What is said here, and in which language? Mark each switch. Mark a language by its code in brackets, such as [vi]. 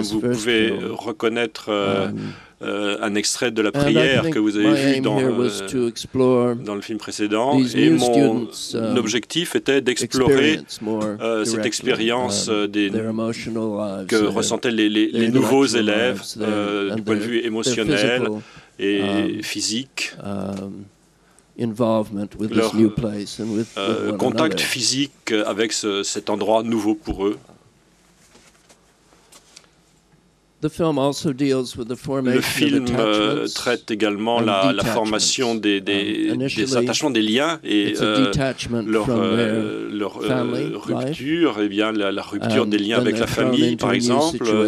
[fr] Vous pouvez reconnaître un extrait de la prière que vous avez vu dans le film précédent. Et mon objectif était d'explorer cette expérience que ressentaient les nouveaux élèves du point de vue émotionnel et physique. [en] Involvement with this new place and with one another. [fr] Contact physique avec cet endroit nouveau pour eux. [en] The film also deals with the formation [fr] le film traite également la formation des attachements, des liens et leur rupture, et bien la rupture des liens avec la famille, par exemple.